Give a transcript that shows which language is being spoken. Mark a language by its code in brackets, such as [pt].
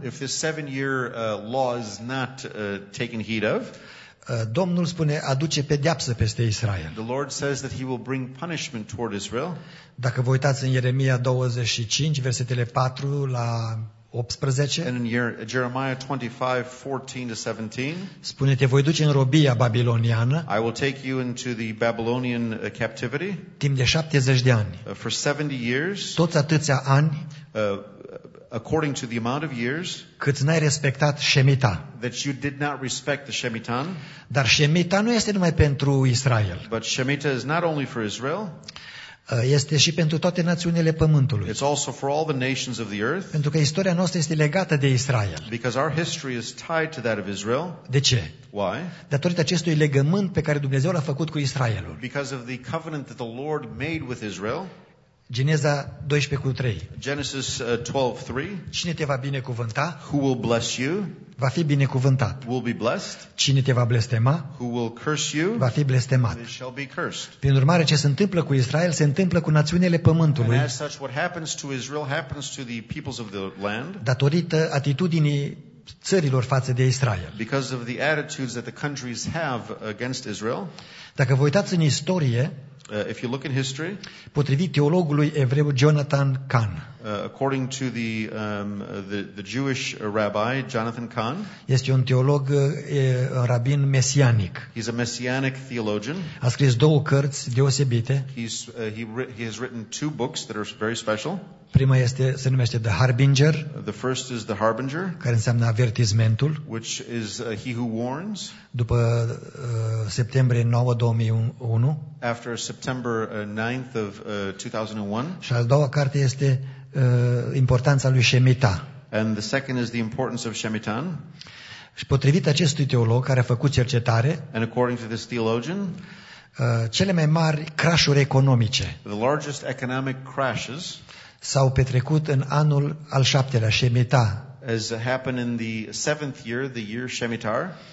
[en] if this 7-year law is not taken heed of, [ro] Domnul spune aduce pedeapsă peste Israel. [en] The Lord says that he will bring punishment toward Israel. [ro] Dacă vă uitați în Ieremia 25 versetele 4 la 18, [en] and in Jeremiah 25, 14 to 17, [ro] spune, te voi duce în robia babiloniană. [en] I will take you into the Babylonian captivity. [ro] Timp de 70 de ani. [en] For 70 years. [ro] Toți atâția ani. [en] According to the amount of years. [ro] Cât n-ai respectat Shemita. [en] That you did not respect the Shemitan. [ro] Dar Shemita nu este numai pentru Israel. [en] But Shemita is not only for Israel. [ro] Este și pentru toate națiunile pământului. [en] It's also for all the nations of the earth. [ro] Pentru că istoria noastră este legată de Israel. [en] Because our history is tied to that of Israel. [ro] De ce? [en] Why? [ro] Datorită acestui legământ pe care Dumnezeu l-a făcut cu Israelul. [en] Because of the covenant that the Lord made with Israel. [ro] Geneza 12:3. [en] Genesis 12:3. [ro] Cine te va binecuvânta? [en] Who will bless you? [ro] Va fi binecuvântat. [en] Will be blessed. [ro] Cine te va blestema? [en] Who will curse you? [ro] Va fi blestemat. [en] They shall be cursed. [ro] Prin urmare, ce se întâmplă cu Israel se întâmplă cu națiunile pământului. [en] And as such, what happens to Israel happens to the peoples of the land. [ro] Datorită atitudinii țărilor față de Israel. [en] Because of the attitudes that the countries have against Israel. [ro] Dacă vă uitați în istorie, [en] if you look in history, [ro] potrivit teologului evreu Jonathan Kahn, [en] according to the Jewish rabbi Jonathan Kahn, [ro] este un teolog, un rabin mesianic. [en] He's a messianic theologian. [ro] A scris două cărți deosebite. [en] He has written two books that are very special. [ro] Prima este, se numește The Harbinger. [en] The first is The Harbinger, [ro] care înseamnă avertismentul. [en] Which is he who warns. [ro] După septembrie 9/2001. [en] After September 9th of 2001. [ro] Și a doua carte este importanța lui Shemita. [en] And the second is the importance of Shemitan. [ro] Și potrivit acestui teolog care a făcut cercetare, [en] and according to this theologian, [ro] cele mai mari crash-uri economice, [en] the largest economic crashes, [ro] s-au petrecut în anul al 7-lea, Shemita. [en] As happened in the 7th year, the year Shemitar.